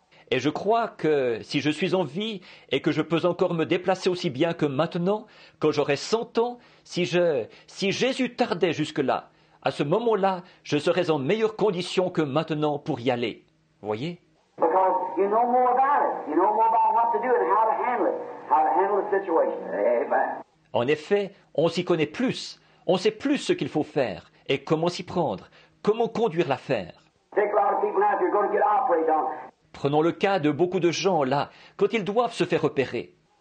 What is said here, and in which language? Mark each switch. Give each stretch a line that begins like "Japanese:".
French: Et je crois que si je suis en vie et que je peux encore me déplacer aussi bien que maintenant, quand j'aurai 100 ans, si Jésus tardait jusque-là, à ce moment-là, je serais en meilleure condition que maintenant pour y aller. Voyez?
English: Because you know more about it. You know more about what to do and how to handle it. How to handle the situation. Amen.
French: En effet, on s'y connaît plus. On sait plus ce qu'il faut faire et comment s'y prendre, comment conduire l'affaire.
English: Take a lot of people now if you're going to get operated on.
French: Prenons le cas de beaucoup de gens là, quand ils doivent se faire opérer.